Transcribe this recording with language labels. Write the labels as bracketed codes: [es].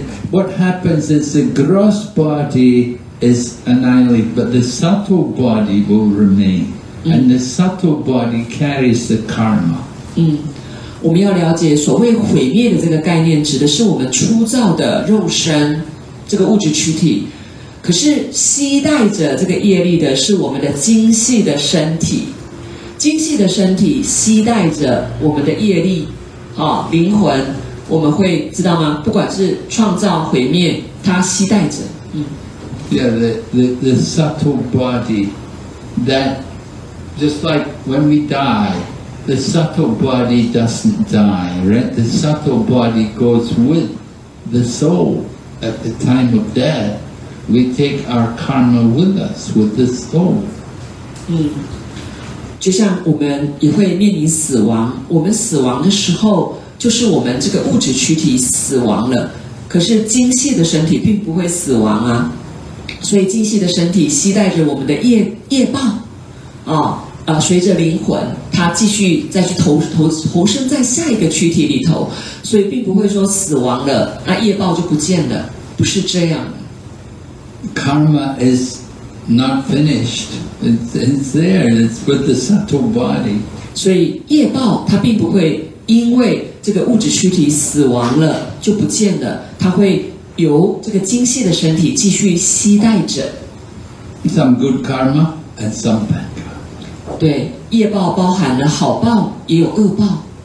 [en] What happens is the gross body is annihilated, but the subtle body will remain. And the subtle body carries the karma. [zh] 我们要了解所谓毁灭的这个概念指的是我们初造的肉身这个物质躯体。可是携带着这个业力的是我们的精细的身体，精细的身体携带着我们的业力、哦、灵魂，我们会知道吗？不管是创造毁灭，它携带着、 [en] Yeah, the subtle body that just like when we die, the subtle body doesn't die, right? The subtle body goes with the soul at the time of death. We take our karma with us, with the soul. [zh] 就像我们也会面临死亡，我们死亡的时候，就是我们这个物质躯体死亡了，可是精细的身体并不会死亡啊。所以精细的身体携带着我们的业报、哦随着灵魂它继续再去 投生在下一个躯体里头，所以并不会说死亡了那业报就不见了，不是这样。 [en] Karma is not finished, it's there, it's with the subtle body. [zh] 所以业报它并不会因为这个物质躯体死亡了就不见了，它会由这个精细的身体继续携带着。 [en] Some good karma and some bad karma. [zh] 对，业报包含了好报也有恶报。